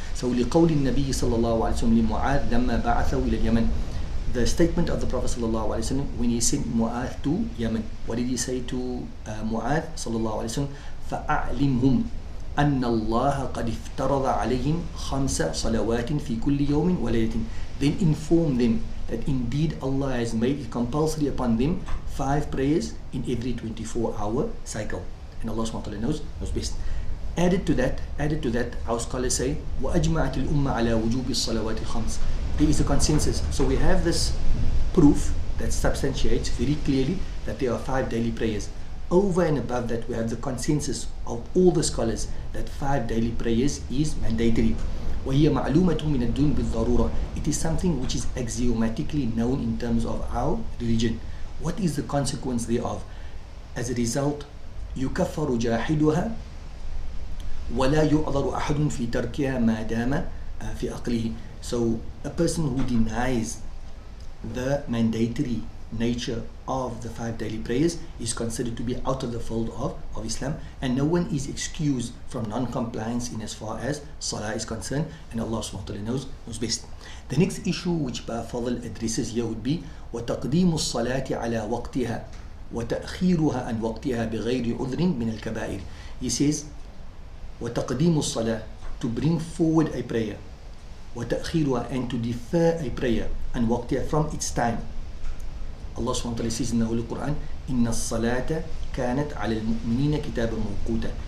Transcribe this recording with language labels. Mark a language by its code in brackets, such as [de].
[ar] So لقول النبي صلى الله عليه وسلم لمعاذ لما بعثه إلى اليمن. [en] The statement of the Prophet sallallahu alaihi wasallam when he sent Mu'adh to Yemen. What did he say to Mu'adh sallallahu alaihi wasallam? [ar] فَأَعْلِمْهُمْ أَنَّ اللَّهَ قَدْ افْتَرَضَ عَلَيْهِمْ خَمْسَ صَلَوَاتٍ فِي كُلِّ يَوْمٍ وَلَيْلَةٍ. [en] Then inform them that indeed Allah has made it compulsory upon them five prayers in every 24-hour cycle. And Allah subhanahu wa ta'ala knows best. Added to that, our scholars say, [ar] وَأَجْمَعَتِ الْأُمَّةِ عَلَى وُجُوبِ الصَّلَوَاتِ الْخَمْسِ. [en] There is a consensus. So we have this proof that substantiates very clearly that there are five daily prayers. Over and above that, we have the consensus of all the scholars that five daily prayers is mandatory. [ar] وَهِيَ مَعْلُومَةٌ مِنَ الدُّونِ بِالضَّرُورَةِ. [en] It is something which is axiomatically known in terms of our religion. What is the consequence thereof? As a result, [ar] يُكَفَّرُ جَاحِدُهَا وَلَا يُعْضَرُ أَحَدٌ فِي تَرْكِهَا مَا دَامَ فِي أَقْلِهِ. [en] So a person who denies the mandatory nature of the five daily prayers is considered to be out of the fold of Islam, and no one is excused from non-compliance in as far as salah is concerned, and Allah subhanahu wa ta'ala knows best. The next issue which Ba'afadl addresses here would be [ar] وَتَقْدِيمُ الصَّلَاةِ عَلَى وَقْتِهَا وَتَأْخِيرُهَا أَنْ وَقْتِهَا بِغَيْرِ عُذْرٍ مِنَ الْكَبَائِرِ. [en] He says [ar] وَتَقْدِيمُ الصَّلَاةِ, [en] to bring forward a prayer, [ar] وَتَأْخِيرُهَا, [en] and to defer a prayer, [ar] أَنْ وَقْتِهَا, [en] from its time. Allah subhanahu wa ta'ala says in the Holy Quran, [ar] إِنَّ الصَّلَاةَ كَانَتْ عَلَى الْمُؤْمِنِينَ كِتَابًا مَوْقُوتًا.